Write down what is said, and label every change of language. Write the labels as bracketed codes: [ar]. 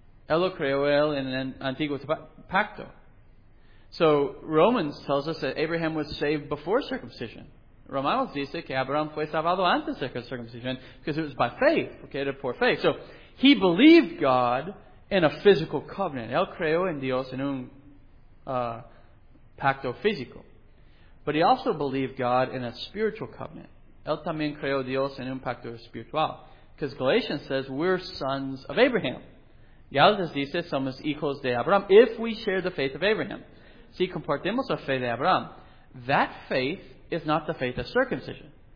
[es] Él lo creyó él en un antiguo pacto. [en] So, Romans tells us that Abraham was saved before circumcision. [es] Romanos dice que Abraham fue salvado antes de la circuncisión [en] because it was by faith, okay, the poor faith. So, he believed God in a physical covenant. [es] Él creyó en Dios en un pacto físico. [en] But he also believed God in a spiritual covenant. [es] Él también creyó Dios en un pacto espiritual. [en] Because Galatians says we're sons of Abraham. [es] Gálatas dice somos hijos de Abraham [en] if we share the faith of Abraham. [es] Si compartimos la fe de Abraham, [en] that faith is not the faith of circumcision.